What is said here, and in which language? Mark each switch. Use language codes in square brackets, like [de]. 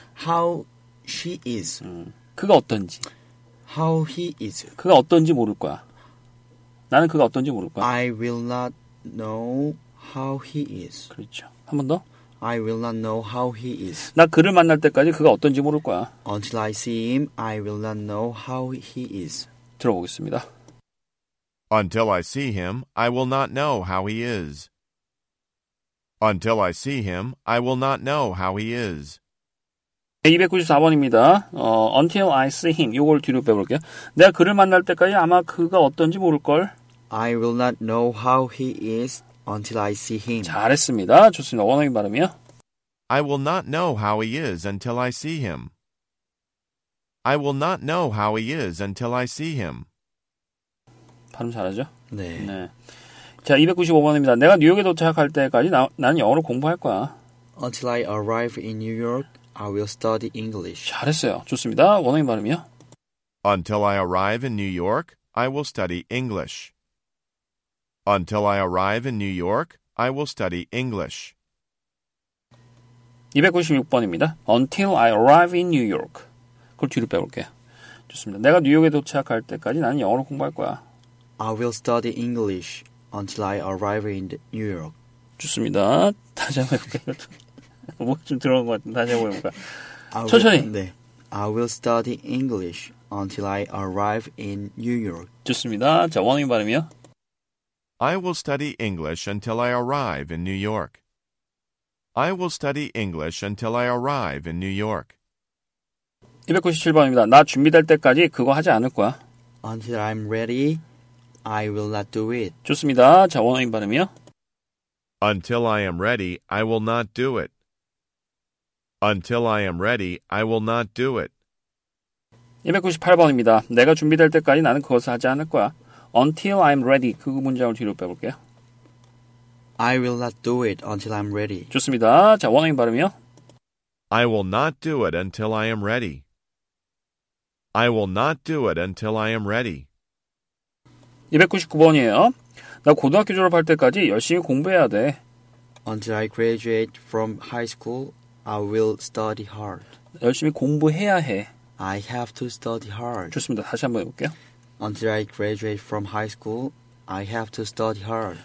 [en] How she is. [ko] 그가 어떤지. [en] How he is. [ko] 그가 어떤지 모를 거야. 나는 그가 어떤지 모를 거야. [en] I will not know how he is. [ko] 그렇죠. 한 번 더. [en] I will not know how he is. [ko] 나 그를 만날 때까지 그가 어떤지 모를 거야. [en] Until I see him, I will not know how he is. [ko] 들어보겠습니다. [en] Until I see him, I will not know how he is. Until I see him, I will not know how he is. [ko] 294번입니다. [en] Until I see him. [ko] 이걸 뒤로 빼볼게요. 내가 그를 만날 때까지 아마 그가 어떤지 모를걸. [en] I will not know how he is. Until I see him. [ko] 잘했습니다. 좋습니다. 원어민 발음이요. [en] I will not know how he is until I see him. I will not know how he is until I see him. [ko] 발음 잘하죠? 네. 네. 자, 295번입니다. 내가 뉴욕에 도착할 때까지 나는 영어를 공부할 거야. [en] Until I arrive in New York, I will study English. [ko] 잘했어요. 좋습니다. 원어민 발음이요. [en] Until I arrive in New York, I will study English. Until I arrive in New York, I will study English. [ko] 296번입니다. [en] Until I arrive in New York. [ko] 그걸 뒤로 빼볼게요. 좋습니다. 내가 뉴욕에 도착할 때까지 나는 영어를 공부할 거야. [en] I will study English until I arrive in New York. [ko] 좋습니다. 다시 한번 해볼게요. 뭐 좀 들어간 것 같은데 다시 한번 해볼까? 천천히. [en] 네. I will study English until I arrive in New York. [ko] 좋습니다. 자, 원인 발음이요. [en] I will study English until I arrive in New York. I will study English until I arrive in New York. [ko] 297번입니다. 나 준비될 때까지 그거 하지 않을 거야. [en] Until I'm ready, I will not do it. [ko] 좋습니다. 자, 원어민 발음이요. [en] Until I am ready, I will not do it. Until I am ready, I will not do it. [ko] 298번입니다. 내가 준비될 때까지 나는 그것을 하지 않을 거야. [en] Until I'm ready. [ko] 그 문장을 뒤로 빼볼게요. [en] I will not do it until I'm ready. [ko] 좋습니다. 자, 원어민 발음이요. [en] I will not do it until I am ready. I will not do it until I am ready. [ko] 299번이에요. 나 고등학교 졸업할 때까지 열심히 공부해야 돼. [en] Until I graduate from high school, I will study hard. [ko] 열심히 공부해야 해. [en] I have to study hard. [ko] 좋습니다. 다시 한번 해볼게요. [en] Until I graduate from high school, I have to study hard.